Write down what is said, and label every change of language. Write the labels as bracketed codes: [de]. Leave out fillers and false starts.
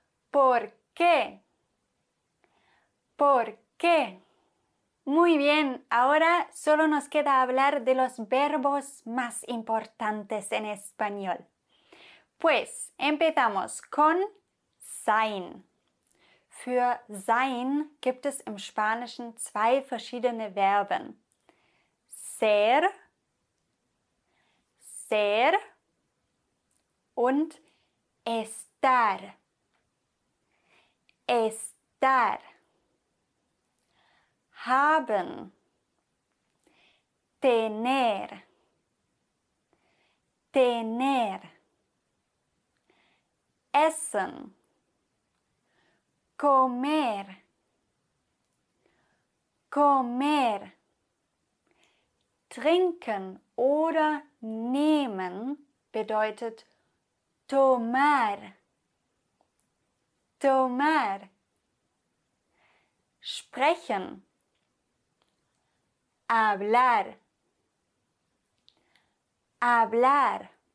[es] ¿Por qué? ¿Por qué? Muy bien, ahora solo nos queda hablar de los verbos más importantes en español. Pues empezamos con sein. [de] Für sein gibt es im Spanischen zwei verschiedene Verben. [es] Ser, ser und estar, estar. Haben, tener, tener. Essen, comer, comer. [de] Trinken oder nehmen bedeutet [es] tomar, tomar. Sprechen, hablar, hablar.